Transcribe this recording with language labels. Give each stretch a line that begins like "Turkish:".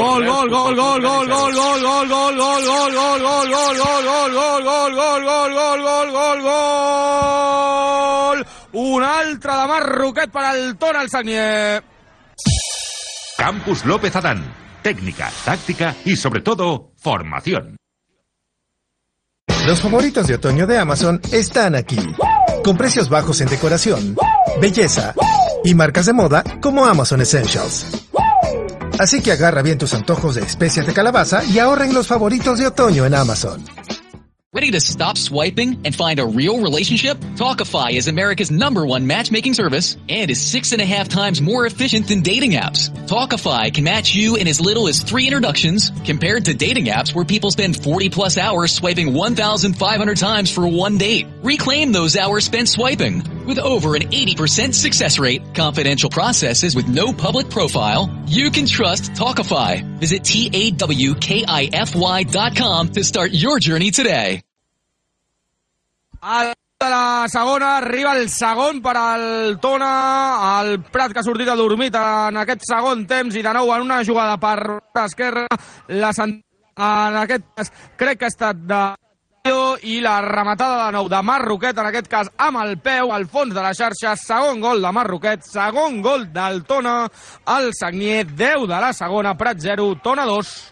Catalan: Gol, gol, gol, gol, gol, gol, gol, gol, gol, gol, gol, gol, gol, gol, gol, gol, gol, gol, gol, gol, gol, gol, gol, gol. Un altre de Marroquet per al Tona, el Sagnier. Campus López Adán. Tècnica, tàctica i, sobretot, formació.
Spanish: Los favoritos de otoño de Amazon están aquí. Con precios bajos en decoración, belleza y marcas de moda como Amazon Essentials. Así que agarra bien tus antojos de especias de calabaza y ahorren los favoritos de otoño en Amazon.
English: Ready to stop swiping and find a real relationship? Talkify is America's number one matchmaking service and is 6.5 times more efficient than dating apps. Talkify can match you in as little as 3 introductions compared to dating apps where people spend 40 plus hours swiping 1,500 times for one date. Reclaim those hours spent swiping. With over an 80% success rate, confidential processes with no public profile, you can trust Talkify. Visit TAWKIFY.com to start your journey today.
Catalan: A la segona, arriba el segon per al Tona, el Prat que ha sortit adormit en aquest segon temps i de nou en una jugada per l'esquerra. En aquest cas, crec que ha estat de... i la rematada de nou de Marroquet, en aquest cas amb el peu al fons de la xarxa, segon gol de Marroquet, segon gol del Tona, el Sagnier 10 de la segona, Prat 0, Tona 2.